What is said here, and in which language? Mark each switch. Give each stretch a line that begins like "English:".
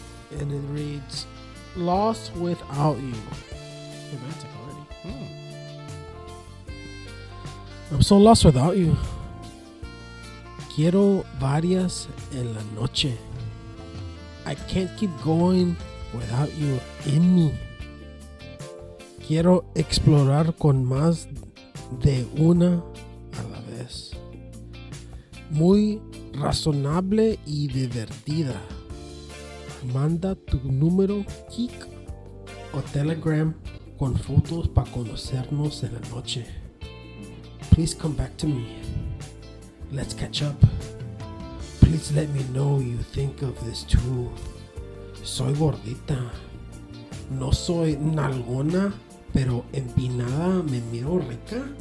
English: And it reads, Lost Without You. Romantic already. Hmm. I'm so lost without you.
Spanish: Quiero varias en la noche.
English: I can't keep going without you in me.
Spanish: Quiero explorar con más de una a la vez. Muy razonable y divertida. Manda tu número Kik o Telegram con fotos para conocernos en la noche.
English: Please come back to me. Let's catch up. Please let me know you think of this too.
Spanish: Soy gordita. No soy nalgona, pero empinada me miro rica.